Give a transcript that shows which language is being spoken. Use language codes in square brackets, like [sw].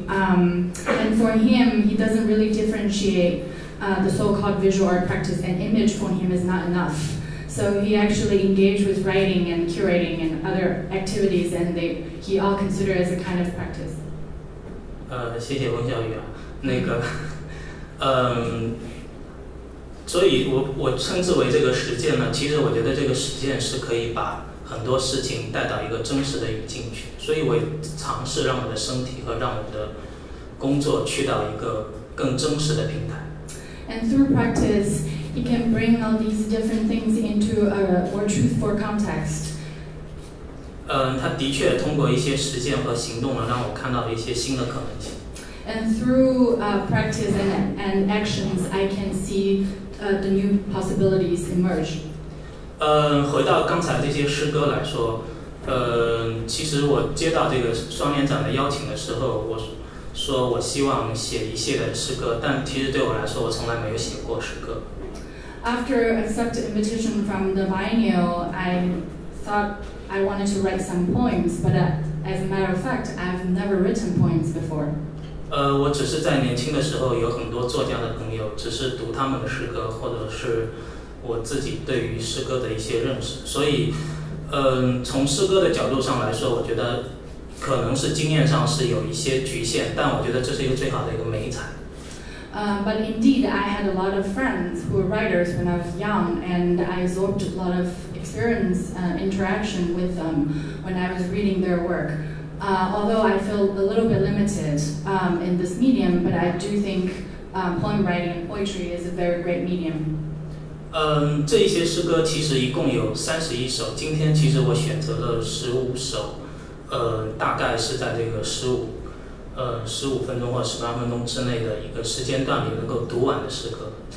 [en] And for him, he doesn't really differentiate the so-called visual art practice. An image for him is not enough. So he actually engaged with writing and curating and other activities, and he all considered as a kind of practice. [zh] 谢谢翁小雨啊，那个，所以我称之为这个实践呢，其实我觉得这个实践是可以把很多事情带到一个真实的语境去，所以我尝试让我的身体和让我的工作去到一个更真实的平台。 [en] And through practice, he can bring all these different things into a more truthful context. [zh] 他的确通过一些实践和行动呢，让我看到了一些新的可能性。 [en] And through practice and actions, I can seeThe new possibilities emerge. [zh] 回到刚才这些诗歌来说，其实我接到这个双年展的邀请的时候，我说我希望写一系列诗歌，但其实对我来说，我从来没有写过诗歌。 [en] After accepting invitation from the biennial, I thought I wanted to write some poems, but as a matter of fact, I've never written poems before. [zh] 我只是在年轻的时候有很多作家的朋友，只是读他们的诗歌，或者是我自己对于诗歌的一些认识。所以，从诗歌的角度上来说，我觉得可能是经验上是有一些局限，但我觉得这是一个最好的一个媒材。 [en] But indeed, I had a lot of friends who were writers when I was young, and I absorbed a lot of experience, interaction with them when I was reading their work. Although I feel a little bit limited in this medium, but I do think poem writing and poetry is a very great medium. [zh] 这一些诗歌其实一共有31首，今天其实我选择了15首，大概是在这个15分钟或18分钟之内的一个时间段里能够读完的诗歌。